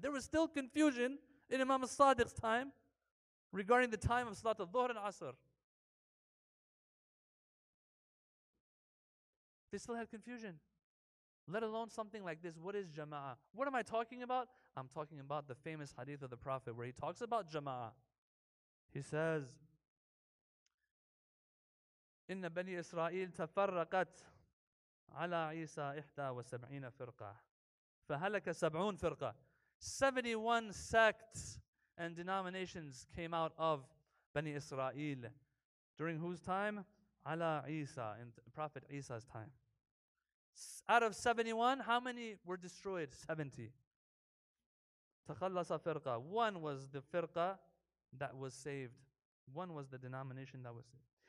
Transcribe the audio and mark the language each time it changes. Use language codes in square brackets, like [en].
[en] There was still confusion in Imam Sadiq's time regarding the time of Salatul Dhuhr and Asr. They still had confusion, let alone something like this. What is Jama'ah? What am I talking about? I'm talking about the famous hadith of the Prophet where he talks about Jama'ah. [ar] He says, إِنَّ بَنِي إِسْرَائِيلَ تَفَرَّقَتْ عَلَىٰ عِيسَىٰ إِحْدَىٰ وَسَبْعِينَ فِرْقَةً فَهَلَكَ سَبْعُونَ فِرْقَةً 71 sects and denominations came out of Bani Israel. [en] During whose time? Ala Isa, in Prophet Isa's time. Out of 71, how many were destroyed? 70. Takhallasa firqa. One was the firqa that was saved. One was the denomination that was saved.